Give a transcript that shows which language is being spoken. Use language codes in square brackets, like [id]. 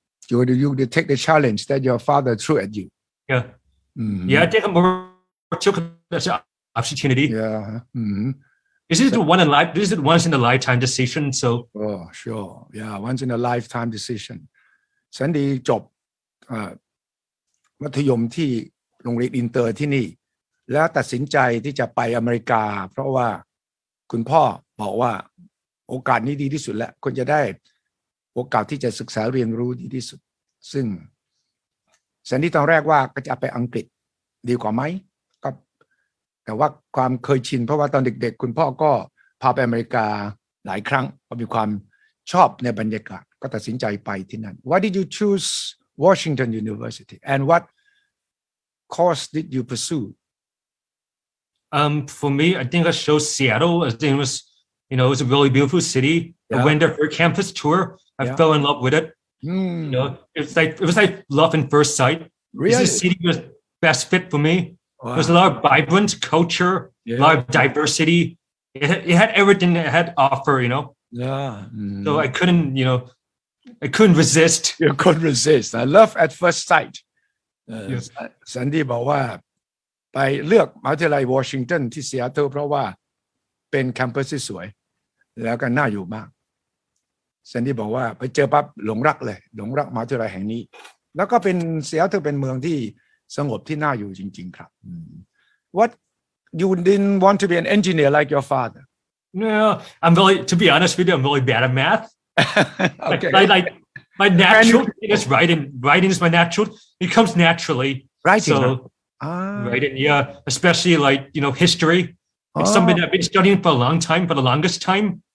[en] You to take the challenge that your father threw at you. Yeah. Mm-hmm. Yeah, I think I'm more took this opportunity. Yeah. Mm-hmm. Is this is it once in a lifetime decision? So, oh, sure. Yeah, once in a lifetime decision. [th] Sandy job มัธยมที่โรงเรียนอินเตอร์ที่นี่แล้วตัดสินใจที่จะไปอเมริกาเพราะว่าคุณพ่อบอกว่าโอกาสนี้ดีที่สุดแล้วคุณจะได้โอกาสที่จะศึกษาเรียนรู้ดีที่สุดซึ่งแซนดี้ตอนแรกว่าก็จะไปอังกฤษดีกว่าไหม แต่ว่าความเคยชินเพราะว่าตอนเด็กๆคุณพ่อก็พาไปอเมริกาหลายครั้งเพราะมีความชอบในบรรยากาศก็ตัดสินใจไปที่นั่น [en] Why did you choose Washington University and what course did you pursue? For me, I think I chose Seattle. I think it was a really beautiful city. Yeah. I went there for a campus tour. I fell in love with it. Mm. You know, it was like love at first sight. Really? This city was best fit for me. Wow. There's a lot of vibrant culture, yeah, a lot of diversity. It had everything it had offer, you know. Yeah. Mm. So I couldn't resist. You couldn't resist. I love at first sight. Yes. [th] Sandy บอกว่าไปเลือกมหาวิทยาลัย Washington ที่ Seattle เพราะว่าเป็น campus ที่สวยแล้วก็น่าอยู่มาก Sandy บอกว่าไปเจอปั๊บหลงรักเลยหลงรักมหาวิทยาลัยแห่งนี้แล้วก็เป็น Seattle เป็นเมืองที่สงบที่น่าอยู่จริงๆครับ [en] What you didn't want to be an engineer like your father? No, I'm really, to be honest with you, I'm really bad at math. Okay. Like my natural thing is writing is my natural. It comes naturally. Writing. So, writing, yeah. Especially like, you know, history. It's something I've been studying for a long time, for the longest time.